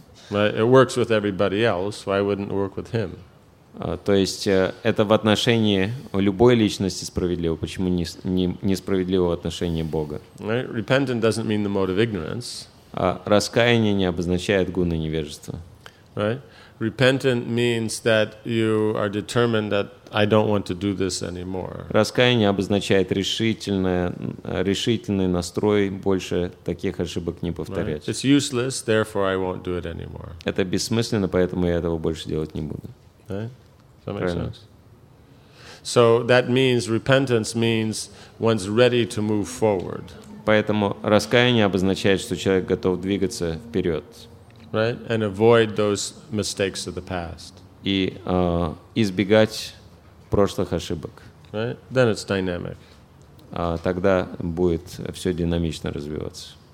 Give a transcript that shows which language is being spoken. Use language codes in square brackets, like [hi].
[en] It works with everybody else. Why wouldn't it work with him? [ru] То есть это в отношении любой личности справедливо. Почему не справедливо в отношении Бога? [en] Right? Repentance doesn't mean the mode of ignorance. [ru] Раскаяние не обозначает гуны невежества. [en] Right? Repentance means that you are determined that I don't want to do this anymore. [ru] Раскаяние обозначает решительный настрой больше таких ошибок не повторять. [en] Right. It's useless, therefore I won't do it anymore. [ru] Это бессмысленно, поэтому я этого больше делать не буду. [en] Right? That makes sense. So that means repentance means one's ready to move forward. [ru] Поэтому раскаяние обозначает, что человек готов двигаться вперед. [en] Right? And avoid those mistakes of the past. [ru] И избегать прошлых ошибок. [en] Right? Then it's dynamic. [ru] Тогда будет все динамично развиваться.